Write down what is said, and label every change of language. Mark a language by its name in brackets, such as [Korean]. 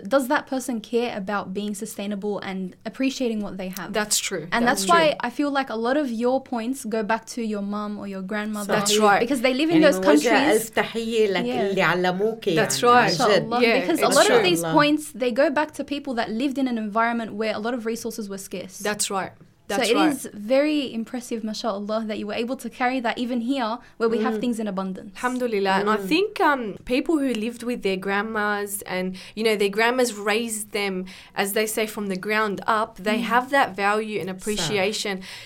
[English] Does that person care about being sustainable and appreciating what they have? That's true. And that's why true. I feel like a lot of your points go back to your mom or your grandmother. That's right. Because they live in those countries. [Arabic] يعني موجه ألف تحية لك اللي علموك يعني. [English] That's right. Yeah, because a lot of these points, they go back to people that lived in an environment where a lot of resources were scarce. That's right. So that's it right. is very impressive, mashallah, that you were able to carry that even here where we have things in abundance. Alhamdulillah. And I think people who lived with their grandmas and, you know, their grandmas raised them, as they say, from the ground up, they have that value and appreciation. So.